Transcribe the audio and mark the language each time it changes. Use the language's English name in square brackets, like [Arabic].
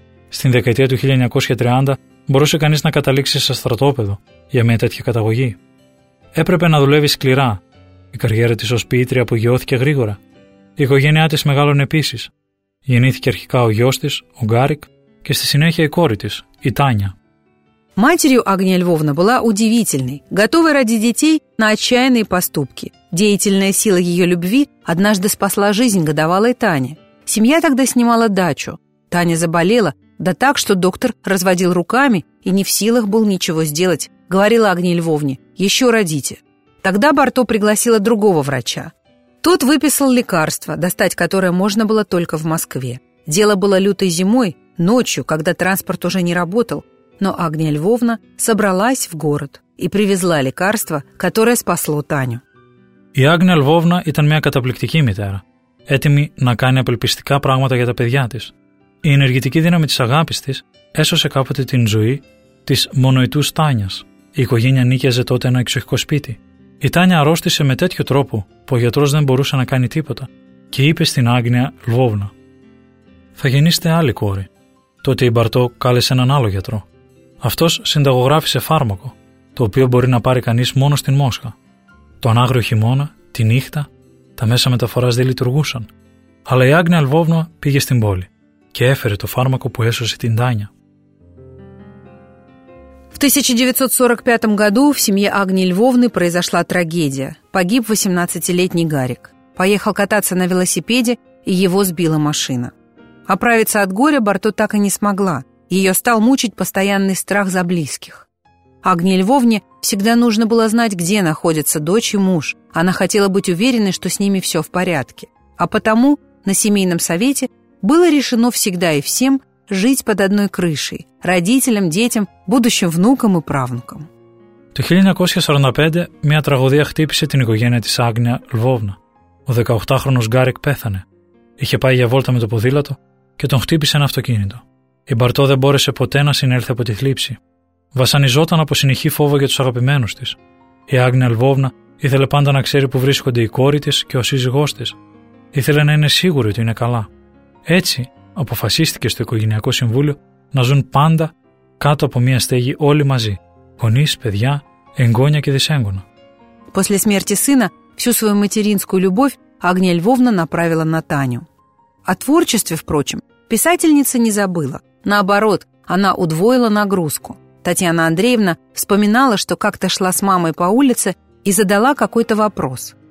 [Greek] Στην δεκαετία του 1930 μπορούσε κανείς να καταλήξει σε στρατόπεδο για μια τέτοια καταγωγή. Έπρεπε να δουλεύει σκληρά. Η καριέρα της ως ποιήτρια απογειώθηκε γρήγορα. Η οικογένειά της μεγάλωνε επίσης. Γεννήθηκε αρχικά ο γιος της, ο Γκάρικ, και στη συνέχεια η κόρη της, η Τάνια. [Russian] Матерью Агния Львовна была удивительной, готовой родить детей на отчаянные поступки. Деятельная сила ее любви однажды спасла жизнь годовалой Тане. Семья тогда снимала дачу. Таня заболела, да так, что доктор разводил руками и не в силах был ничего сделать, говорила Агния Львовне, еще родите. Тогда Барто пригласила другого врача. Тот выписал лекарство, достать которое можно было только в Москве. Дело было лютой зимой, ночью, когда транспорт уже не работал, но Агния Львовна собралась в город и привезла лекарство, которое спасло Таню. [Greek] Η Άγνοια Λβόβνα ήταν μια καταπληκτική μητέρα, έτοιμη να κάνει απελπιστικά πράγματα για τα παιδιά της. Η ενεργητική δύναμη της αγάπης της έσωσε κάποτε την ζωή της μονοητούς Τάνιας. Η οικογένεια νίκιαζε τότε ένα εξοχικό σπίτι. Η Τάνια αρρώστησε με τέτοιο τρόπο που ο γιατρός δεν μπορούσε να κάνει τίποτα και είπε στην Άγνοια Λβόβνα: «Θα γεννήσετε άλλη κόρη». Τότε η Μπαρτό κάλεσε έναν άλλο γιατρό. Αυτός συνταγογράφησε φάρμακο, το οποίο μπορεί να πάρει κανείς μόνο στην Μόσχα. Τον άγριο χειμώνα, τη νύχτα, τα μέσα μεταφοράς δεν λειτουργούσαν. Αλλά η Άγνοια Λβόβνα πήγε στην πόλη και έφερε το φάρμακο που έσωσε την Τάνια. [Russian] В 1945 году в семье Агнии Львовны произошла трагедия. Погиб 18-летний Гарик. Поехал кататься на велосипеде, и его сбила машина. Оправиться от горя Барто так и не смогла. Ее стал мучить постоянный страх за близких. Агнии Львовне всегда нужно было знать, где находятся дочь и муж. Она хотела быть уверенной, что с ними все в порядке. А потому на семейном совете было решено всегда и всем жить под одной крышей – родителям, детям, будущим внукам и правнукам. [Greek] Το 1945 μια τραγωδία χτύπησε την οικογένεια της Άγνοια Λβόβνα. Ο 18χρονος Γκάρικ πέθανε. Είχε πάει για βόλτα με το ποδήλατο και τον χτύπησε ένα αυτοκίνητο. Η Μπαρτό δεν μπόρεσε ποτέ να συνέλθει από τη θλίψη. Βασανιζόταν από συνεχή φόβο για τους αγαπημένους της. Η Άγνοια Λβόβνα ήθελε πάντα να ξέρει που βρίσκονται η κόρη της και ο σύζυγός της. Ήθελε να είναι σίγουρη ότι είναι καλά. Έτσι, αποφασίστηκε στο Οικογενειακό Συμβούλιο να ζουν πάντα κάτω από μια στέγη όλοι μαζί. Γονείς, παιδιά, εγγόνια και δυσέγγωνα. [Russian] После смерти сына всю свою материнскую любовь Агния Львовна направила на Таню. О творчестве, впрочем, писательница не забыла. Наоборот, она удвоила нагрузку. Татьяна Андреевна вспоминала, что как-то шла с мамой по улице и задала какой-то вопрос.